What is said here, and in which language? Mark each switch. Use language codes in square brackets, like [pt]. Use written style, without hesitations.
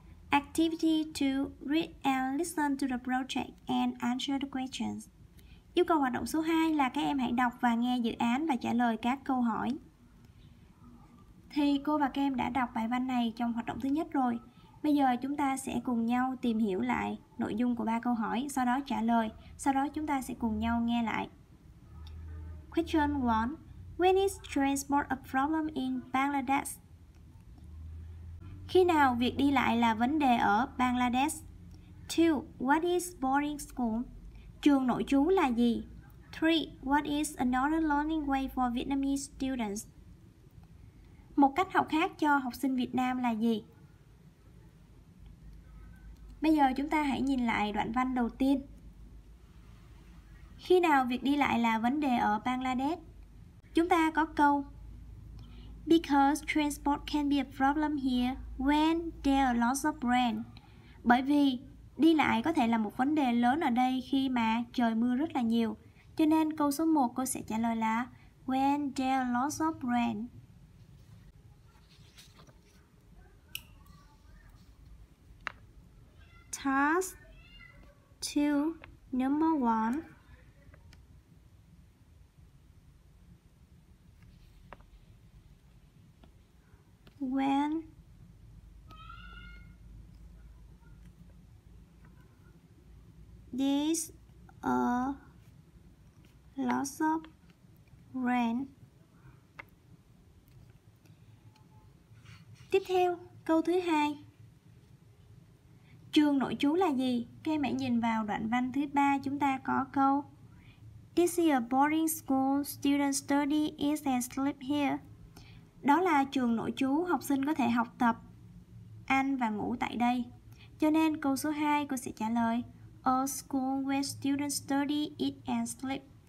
[en] Activity 2, read and listen to the project and answer the questions. [vi] Yêu cầu hoạt động số 2 là các em hãy đọc và nghe dự án và trả lời các câu hỏi. Thì cô và các em đã đọc bài văn này trong hoạt động thứ nhất rồi. Bây giờ chúng ta sẽ cùng nhau tìm hiểu lại nội dung của ba câu hỏi, sau đó trả lời, sau đó chúng ta sẽ cùng nhau nghe lại. [en] Question 1. When is transport a problem in Bangladesh? [vi] Khi nào việc đi lại là vấn đề ở Bangladesh? [en] 2. What is boarding school? [vi] Trường nội trú là gì? [en] 3. What is another learning way for Vietnamese students? [vi] Một cách học khác cho học sinh Việt Nam là gì? Bây giờ chúng ta hãy nhìn lại đoạn văn đầu tiên. Khi nào việc đi lại là vấn đề ở Bangladesh? Chúng ta có câu [en] Because transport can be a problem here when there are lots of rain. [vi] Bởi vì đi lại có thể là một vấn đề lớn ở đây khi mà trời mưa rất là nhiều. Cho nên câu số 1 cô sẽ trả lời là [en] when there are lots of rain. Task 2, number 1. When there's a lot of rain. [vi] Tiếp theo, câu thứ 2. Trường nội trú là gì? Các em hãy nhìn vào đoạn văn thứ 3, chúng ta có câu [en] This is a boarding school, students study eat and sleep here. [vi] Đó là trường nội trú, học sinh có thể học tập, ăn và ngủ tại đây. Cho nên câu số 2 cô sẽ trả lời [en] A school where students study eat and sleep.